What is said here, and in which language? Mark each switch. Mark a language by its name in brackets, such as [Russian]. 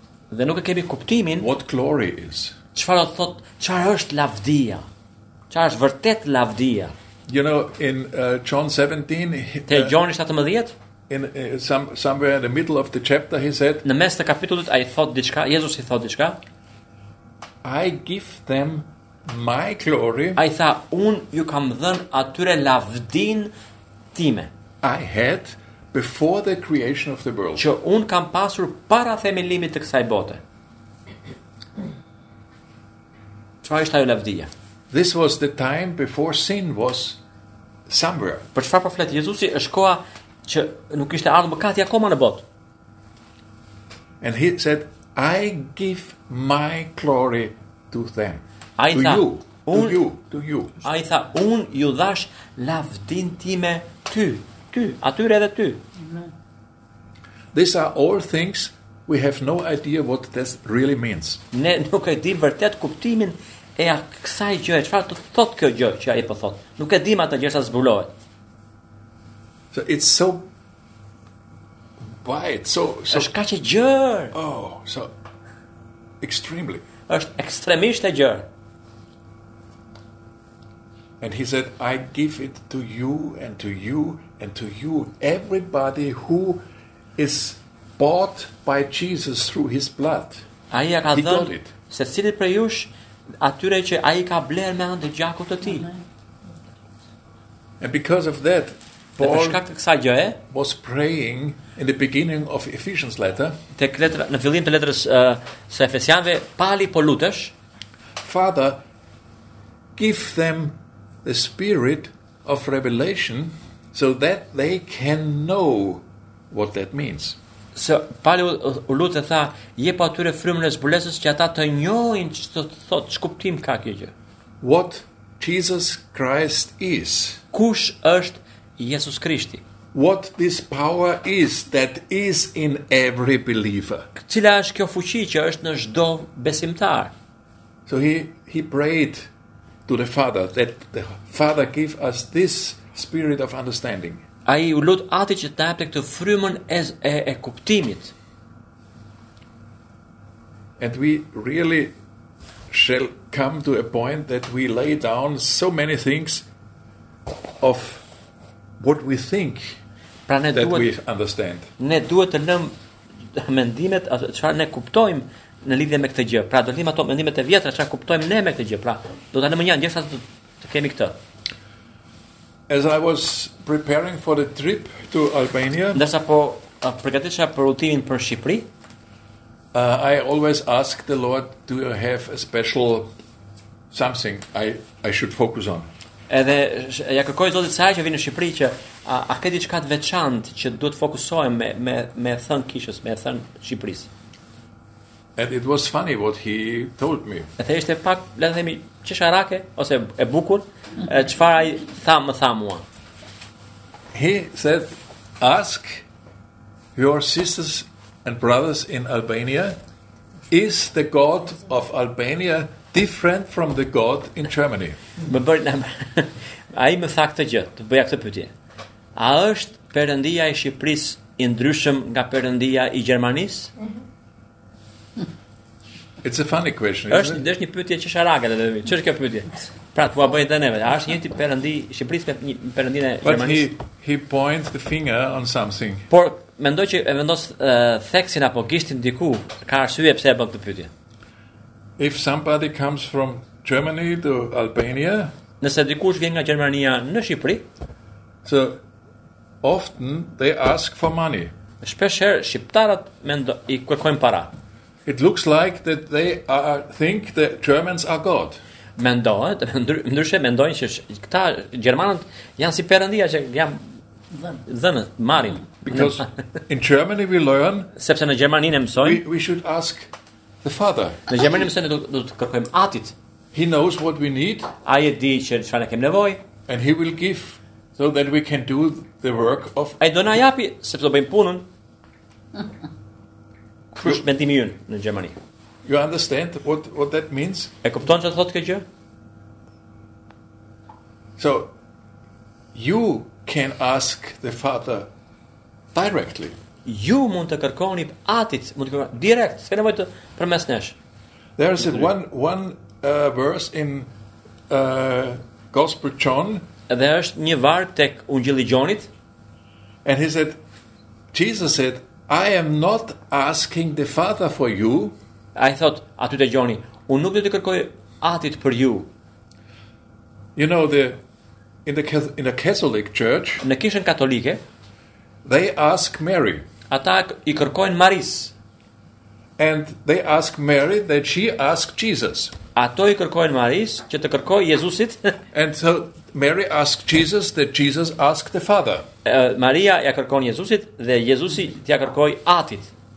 [Albanian] Dhe nuk e kemi kuptimin [English] what glory is. [Albanian] Çfarë do thot, çfarë është lavdia? Çfarë është vërtet lavdia? [English] You know, in John 17, [Albanian] te Gjoni 17, [English] in somewhere in the middle of the chapter, he said, [Albanian] në mes të kapitullit ai thot diçka, Jezus i thot diçka. [English] I give them my glory. [Albanian] Ai tha, un ju kam dhën atyre lavdin time. [English] I had before the creation of the world. [Albanian] Që un kam pasur para themelimit të kësaj bote. Çfarë është ajo lavdia? [English] This was the time before sin was somewhere. [Albanian] Për çfarë flet Jezusi? Është koha që nuk ishte ardhur mëkati akoma në botë. [English] And he said, I give my glory to them. [Albanian] Ai tha, [English] to you. [Albanian] Ai tha, un ju dhash lavdin time ty. Ty, atyre edhe ty. [English] These are all things we have no idea what this really means. [Albanian] Ne nuk e dim vërtet kuptimin e kësaj gjëje. Çfarë do të thotë kjo gjë që ai po thot? Nuk e dim atë gjë sa zbulohet. [English] So it's so wide. So [Albanian] është kaq e gjerë. [English] Oh, so extremely. [Albanian] Është ekstremisht e gjerë. [English] And he said, I give it to you and to you and to you, everybody who is bought by Jesus through his blood. [Albanian] Ai ka dhënë secilit prej jush atyre që ai ka blerë me anë të gjakut të tij. [English] And because of that, Paul was praying in the beginning of Ephesians letter. [Albanian] Tek letra në fillim të letrës së Efesianëve, Pali po lutesh, [English] Father, give them the spirit of revelation so that they can know what that means. [Albanian] So Paul lutet tha, jep atyre frymën e zbulesës që ata të njohin ç'do thot, ç'kuptim ka kjo gjë. [English] What Jesus Christ is. [Albanian] Kush është Jezus Krishti? [English] What this power is that is in every believer. [Albanian] Cila është kjo fuqi që është në çdo besimtar? [English] So he prayed to the Father that the Father give us this spirit of understanding. [Albanian] Ai u lut atë që të japte këtë frymën e kuptimit. [English] And we really shall come to a point that we lay down so many things of what we think [Albanian] pra ne [English] that [Albanian] duhet, [English] we understand. [Albanian] Ne duhet të lëm mendimet çfarë ne kuptojmë në lidhje me këtë gjë. Pra do lëm ato mendimet e vjetra çfarë kuptojmë ne me këtë gjë. Pra do ta lëmë një anë gjithsesi të kemi këtë. [English] As I was preparing for the trip to Albania, [Albanian] ndërsa po përgatitesha për udhëtimin për Shqipëri, [English] I always ask the Lord, do you have a special something I should focus on? [Albanian] Edhe ja kërkoj Zotit sa që vjen në Shqipëri që a ke diçka të veçantë që duhet fokusohem me thën kishës, me thën Shqipërisë. [English] And it was funny what he told me. [Albanian] Edhe ishte pak, le të themi, çesharake ose e bukur, çfarë ai tha më tha mua. [English] He said, ask your sisters and brothers in Albania, is the God of Albania different from the God in Germany? [Albanian] Më bërë në... A i më tha këtë gjë, të bëja këtë pyetje. A është Perëndia e Shqipëris i ndryshëm nga Perëndia i Gjermanisë? [English] It's a funny question, isn't [Albanian] është, [English] it? [Albanian] Është një pyetje që sharaga, dhe dhe që është kjo pyetje? Pra, të po a bëjnë të neve, a është një të Perëndi Shqipëris me një Perëndinë e Gjermanisë? [English] But he points the finger on something. [Albanian] Por, mendoj që e vendos theksin apo gishtin diku, ka arsye pse e bën këtë pyetje. [English] If somebody comes from Germany to Albania, [Albanian] nëse dikush vjen nga Gjermania në Shqipëri, [English] so often they ask for money. [Albanian] Shpeshherë shqiptarët mendo i kërkojnë para. [English] It looks like that they think the Germans are God. [Albanian] Mendohet, ndryshe mendojnë që këta Gjermanët janë si Perëndia që janë dhënë, marrin. [English] Because in Germany we learn, [Albanian] sepse në Gjermani ne mësojmë, [English] we should ask the father. [Albanian] Në Gjermani mësojmë do të kërkojmë atit. [English] He knows what we need. [Albanian] Ai e di që çfarë kemi nevojë. [English] And he will give so that we can do the work of. [Albanian] Ai do na japi sepse do bëjmë punën. Kush mendimi ynë në Gjermani? [English] You understand what that means? [Albanian] E kupton çfarë thotë kjo gjë? [English] So you can ask the father directly. [Albanian] Ju mund të kërkoni atit, mund të kërkoni direkt, s'ka nevojë të përmes nesh. [English] There is one verse in Gospel John. [Albanian] Dhe është një varg tek Ungjilli I Gjonit. [English] And he said, Jesus said, I am not asking the Father for you. I thought, [Albanian] aty te Gjoni, unë nuk do të kërkoj atit për ju. [English] You know the in the Catholic Church, [Albanian] në kishën katolike, [English] they ask Mary. [Albanian] Ata I kërkojnë Maris. [English] And they ask Mary that she ask Jesus. [Albanian] Ato I kërkojnë Maris që të kërkojë Jezusit. [English] And so Mary ask Jesus that Jesus ask the Father. [Albanian] Maria ja kërkon Jezusit dhe Jezusi t'ja kërkoj Atit.